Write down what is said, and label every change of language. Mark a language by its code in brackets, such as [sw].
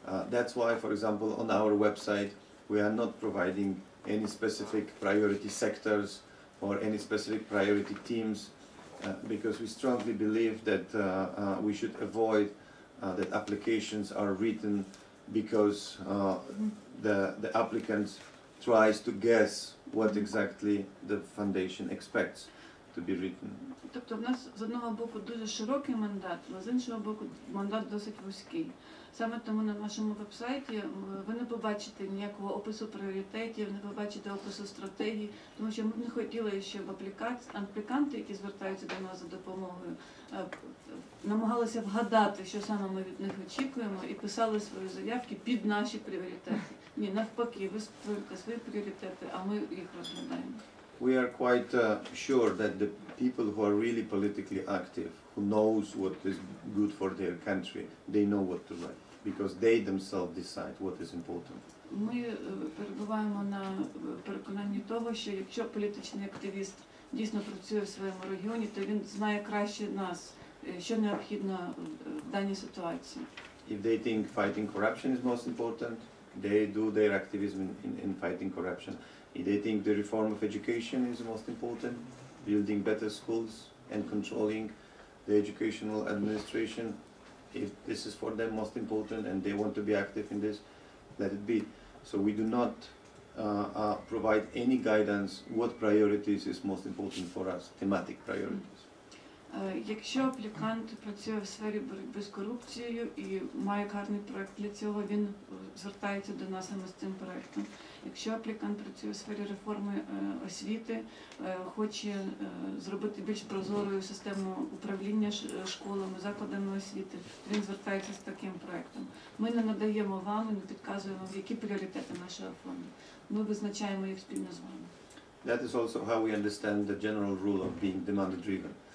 [en] That's why, for example, on our website we are not providing any specific priority sectors or any specific priority teams, because we strongly believe that we should avoid that applications are written because the applicants tries to guess what exactly the foundation expects to be written. [uk] Тобто в нас з одного боку дуже широкий мандат, а з іншого боку мандат досить вузький. Саме тому на нашому вебсайті ви не побачите ніякого опису пріоритетів, не побачите опису стратегії, тому що ми не хотіли, щоб апліканти, які звертаються до нас за допомогою, намагалися вгадати, що саме ми від них очікуємо, і писали свої заявки під наші пріоритети. Ні, навпаки, ви створюєте свої пріоритети, а ми їх розглядаємо. [en] We are quite sure that the people who are really politically active, who knows what is good for their country, they know what to write, because they themselves decide what is important. [uk] Ми перебуваємо на переконанні того, що якщо політичний активіст дійсно працює в своєму регіоні, то він знає краще нас, що необхідно в даній ситуації. [en] If they think fighting corruption is most important, they do their activism in fighting corruption. If they think the reform of education is most important, building better schools and controlling the educational administration, if this is for them most important and they want to be active in this, let it be. So we do not provide any guidance what priorities is most important for us, thematic priorities. [uk] Якщо аплікант працює в сфері боротьби з корупцією і має гарний проект для цього, він звертається до нас саме з цим проектом. Якщо аплікант працює в сфері реформи освіти, хоче зробити більш прозорою систему управління школами, закладами освіти, він звертається з таким проектом. Ми не надаємо вам, не підказуємо, які пріоритети нашого фонду. Ми визначаємо їх спільно з вами. [en] That is also how we understand the general rule of being demand-driven.